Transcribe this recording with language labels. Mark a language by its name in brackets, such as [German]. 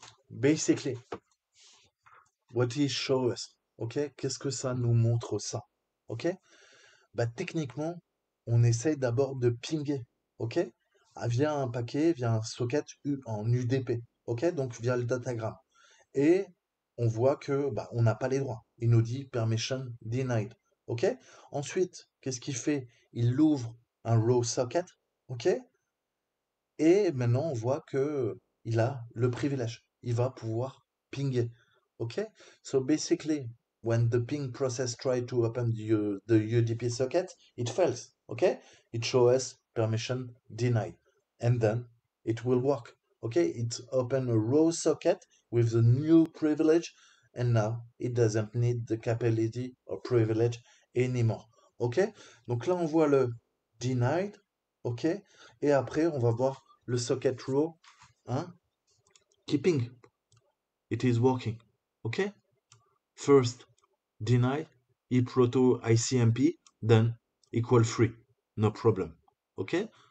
[English] Basically, what it shows us. OK? [French] Qu'est-ce que ça nous montre ça? OK? Bah, techniquement, on essaye d'abord de pinguer. OK? Via un paquet, via un socket en UDP. OK? Donc, via le datagramme. Et on voit que bah, on n'a pas les droits. Il nous dit permission denied. OK? Ensuite, qu'est-ce qu'il fait? Il ouvre un raw socket. OK? Et maintenant, on voit que il a le privilège. Il va pouvoir pinger. OK? [English] So basically, when the ping process tries to open the UDP socket, it fails. OK? It shows us permission denied. And then it will work. OK? It opens a raw socket with the new privilege, and now it doesn't need the capability or privilege anymore. OK? [French] Donc là, on voit le denied. OK? Et après, on va voir le socket row, hein? [English] Keeping. It is working. OK? First, deny, eProto ICMP, then equal free. No problem. OK?